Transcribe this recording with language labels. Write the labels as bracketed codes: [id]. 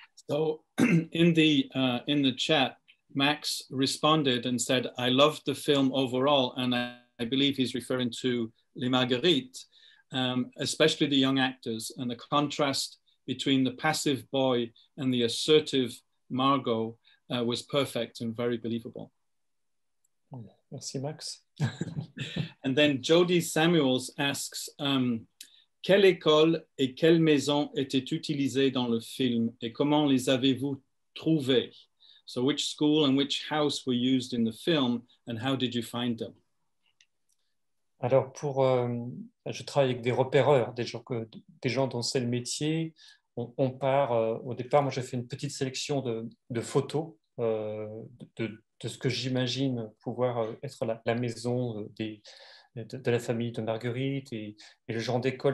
[en] So in the chat, Max responded and said, "I loved the film overall," and I believe he's referring to Les Marguerites, especially the young actors and the contrast between the passive boy and the assertive Margot was perfect and very believable. [fr] Merci, Max. [en] And then Jody Samuels asks, [fr] quelle école et quelle maison étaient utilisées dans le film et comment les avez-vous trouvées? [en] So which school and which house were used in the film and how did you find them? [fr] Alors, je travaille avec des repéreurs, des gens dont c'est le métier. On part, au départ, moi j'ai fait une petite sélection de photos de ce que j'imagine pouvoir être la maison de la famille de Marguerite et le genre d'école.